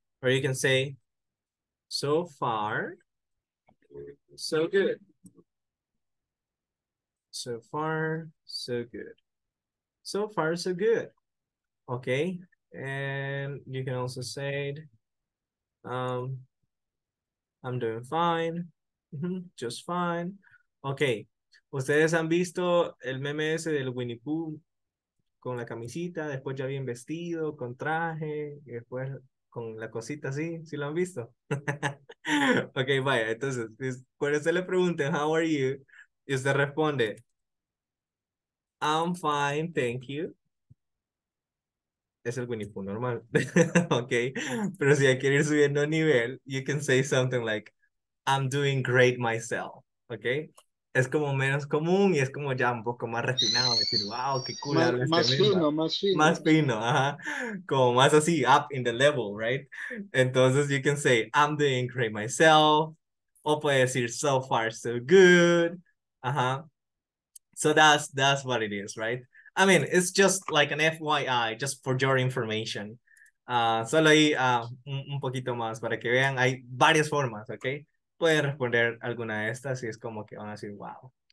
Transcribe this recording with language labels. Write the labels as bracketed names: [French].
[English] Or you can say, so far, so good. So far, so good. So far, so good. Okay. And you can also say, I'm doing fine. Just fine. Okay. [Spanish] Ustedes han visto el meme ese del Winnie Pooh con la camisita, después ya bien vestido, con traje, y después con la cosita así. ¿Sí lo han visto? Okay, vaya. Entonces, cuando usted le pregunte, how are you? Y usted responde, [English] I'm fine, thank you. [Spanish] Es el Winnie Pooh normal. Okay. Pero si ya quiere ir subiendo a nivel, [English] you can say something like, I'm doing great myself. Okay. [Spanish] Es como menos común y es como ya un poco más refinado. Decir, wow, qué cool. Más fino. [English] Ajá. [Spanish] Como más así, [English] up in the level, right? [Spanish] Entonces, [English] you can say, I'm doing great myself. [Spanish] O puede decir, [English] so far, so good. Ajá. So that's what it is, right? I mean, it's just like an FYI, just for your information. [Spanish] Solo ahí un poquito más para que vean. Hay varias formas, okay? Pueden responder alguna de estas y es como que van a decir, wow.